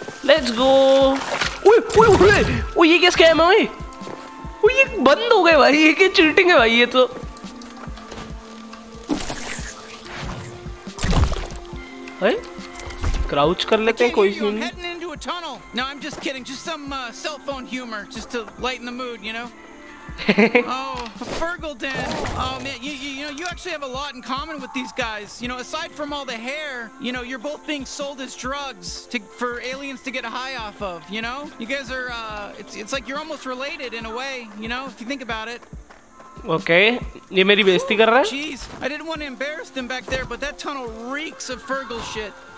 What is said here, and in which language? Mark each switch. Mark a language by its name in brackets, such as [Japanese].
[Hindi] Let's go. ओए ओए ओए ओए, ये क्या स्कैम है ओए, ये बंद हो गए भाई, ये क्या चीटिंग है भाई ये तो। अरे क्राउच कर लेते हैं कोई scene. [English] No, I'm just kidding. Just some cell phone humor, just to lighten the mood, you know. Oh, Fergaldin. Oh man, you actually have a lot in common with these guys. You know, aside from all the hair, you know, you're both being sold as drugs for aliens to get high off of. You know, you guys are. It's like you're almost related in a way. You know, if you think about it. [Hindi] Okay, ये मेरी बेइज्जती कर रहा है? [English] Jeez, I didn't want to embarrass them back there, but that tunnel reeks of Fergal shit.